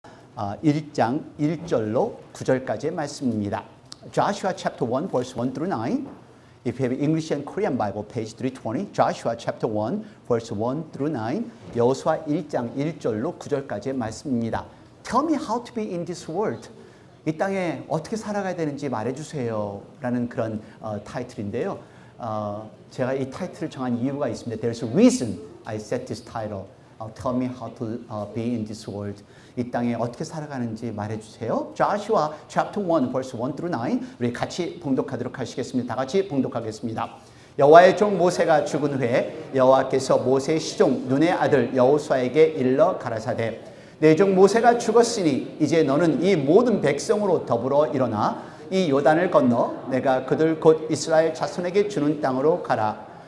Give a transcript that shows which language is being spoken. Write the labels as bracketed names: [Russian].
[Korean] 1장 1절로 9절까지의 말씀입니다. [English] Joshua chapter 1 verse 1 through 9. If you have English and Korean Bible page 320, Joshua chapter 1 verse 1 through 9. [Korean] 여호수아 1장 1절로 9절까지의 말씀입니다. [English] Tell me how to be in this world. [Korean] 이 땅에 어떻게 살아가야 되는지 말해 주세요라는 그런 타이틀인데요. 제가 이 타이틀을 정한 이유가 있습니다. [English] There's a reason I set this title. Tell me how to be in this world. [Korean] 이 땅에 어떻게 살아가는지 말해주세요. [English] Joshua chapter 1 verse 1 through 9. [Korean] 우리 같이 봉독하도록 하시겠습니다. 다 같이 봉독하겠습니다. 여호와의 종 모세가 죽은 후에 여호와께서 모세의 시종 눈의 아들 여호수아에게 일러 가라사대. 내 종 모세가 죽었으니 이제 너는 이 모든 백성으로 더불어 일어나 이 요단을 건너 내가 그들 곧 이스라엘 자손에게 주는 땅으로 가라.